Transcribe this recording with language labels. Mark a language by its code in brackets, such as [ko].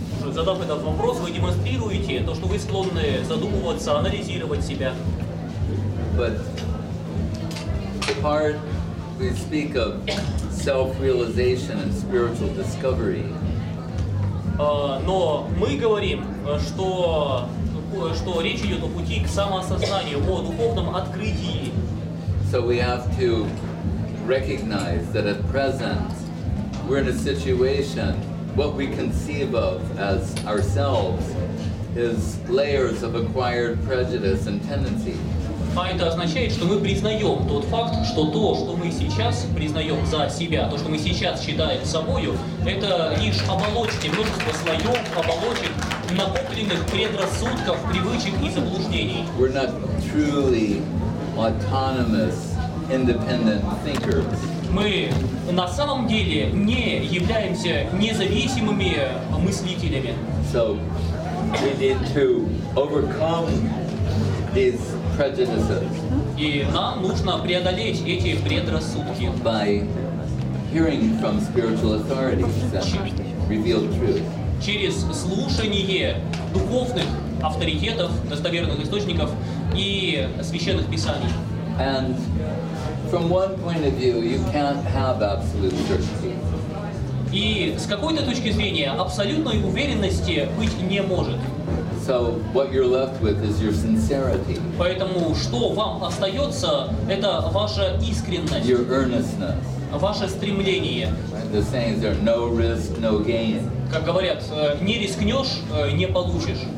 [ru] Задав этот вопрос, вы демонстрируете то, что вы склонны задумываться, анализировать себя. [en] But the part we speak of self-realization and spiritual discovery. [ru] Но мы говорим, что речь идет о пути к самоосознанию, о духовном открытии. [en] So we have to recognize that at present we're in a situation what we conceive of as ourselves is layers of acquired prejudice and tendency. [ru] А это означает, что мы признаем тот факт, что то, что мы сейчас признаем за себя, то, что мы сейчас считаем собою, это лишь оболочки, множество слоев, оболочек, накопленных предрассудков, привычек и заблуждений. [en] We're not truly autonomous, independent thinkers. [ru] Мы на самом деле не являемся независимыми мыслителями. [en] So we need to overcome these prejudices. [ru] И нам нужно преодолеть эти предрассудки. [en] By hearing from spiritual authorities that reveal truth. [ru] Через слушание духовных авторитетов, достоверных источников и священных писаний. [en] And from one point of view, you can't have absolute certainty. [ru] И с какой-то точки зрения абсолютной уверенности быть не может. [en] So what you're left with is your sincerity. [ru] Поэтому что вам остается, это ваша искренность. [en] Your earnestness. [ru] Ваше стремление. [en] The sayings are no risk, no gain. [ru] Как говорят, не рискнешь, не получишь.